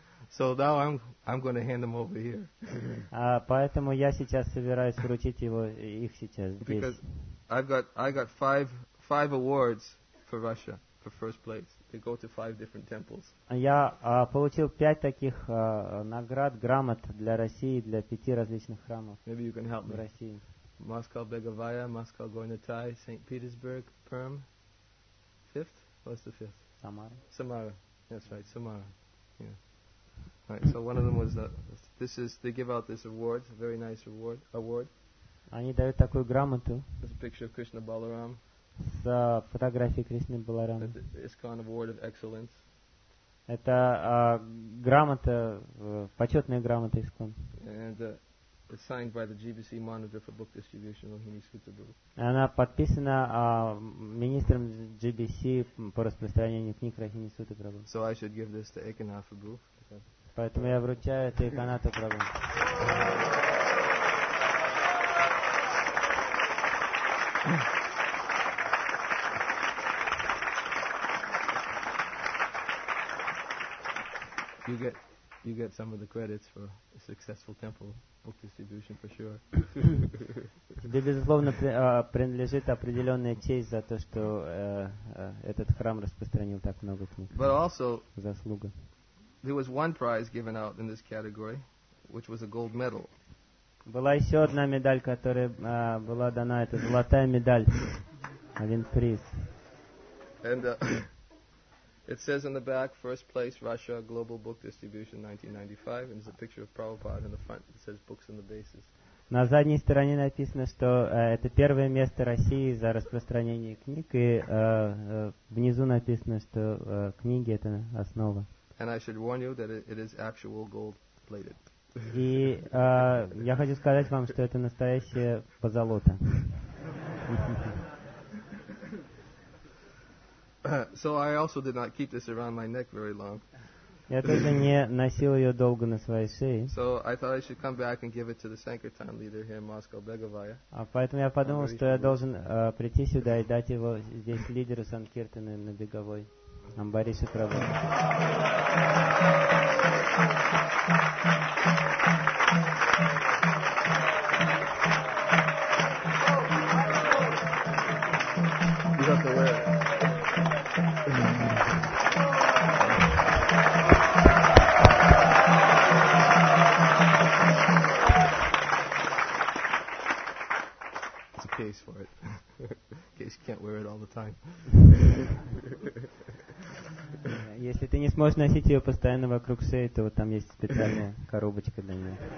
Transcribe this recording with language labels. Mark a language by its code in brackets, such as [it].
[en] So now I'm going to hand them over here. [ru] Поэтому я сейчас собираюсь вручить его их сейчас здесь. [en] Because I got five awards for Russia for first place. They go to five different temples. [ru] Я получил пять таких наград, грамот для России, для пяти различных храмов. [en] Maybe you can help me. [ru] В России. [en] Moscow Begovaya, Moscow Gornatai, St. Petersburg, Perm. Fifth? What's the fifth? Samara. That's right, Samara. Yeah. All right, so one of them was this is they give out this award, a very nice award. [ru] Они дают такую грамоту. [en] This picture of Krishna Balaram. [ru] С фотографией Кришны Баларамы. [en] It's called an award of excellence. [ru] Это грамота, почетная грамота ИСККОН. [en] And it's signed by the GBC monitor for book distribution, Rohini Sutta Prabhu. [ru] Она подписана министром GBC по распространению книг Рохини Сутта Прабху. [en] So I should give this to Ekanath Prabhu. [ru] Поэтому я вручаю это Эканату Прабху. [en] You get some of the credits for a successful temple book distribution for sure. [ru] Тебе безусловно принадлежит определенная честь за то, что этот храм распространил так много книг. [en] But also [ru] заслуга. [en] There was one prize given out in this category, which was a gold medal. [ru] Была еще одна медаль, которая была дана. Это золотая медаль. Один приз. [en] And it says in the back, first place, Russia, global book distribution, 1995. And there's a picture of Prabhupada in the front. It says books on the basis. [ru] На задней стороне написано, что это первое место России за распространение книг. И внизу написано, что книги – это основа. [en] And I should warn you that it is actual gold plated. [ru] И я хочу сказать вам, что это настоящее позолота. [en] So I also did not keep this around my neck very long. [ru] Я тоже не носил ее долго на своей шее. [en] So I thought I should come back and give it to the Sankirtan leader here in Moscow, Begovaya. [ru] А поэтому я подумал, что я должен прийти сюда и дать его здесь лидеру Санкиртаны на Беговой. Амбариша Прабху. [en] It's a case for it. In case you can't wear it all the time. [ru] Если ты не сможешь носить ее постоянно вокруг шеи, то вот там есть специальная коробочка для нее.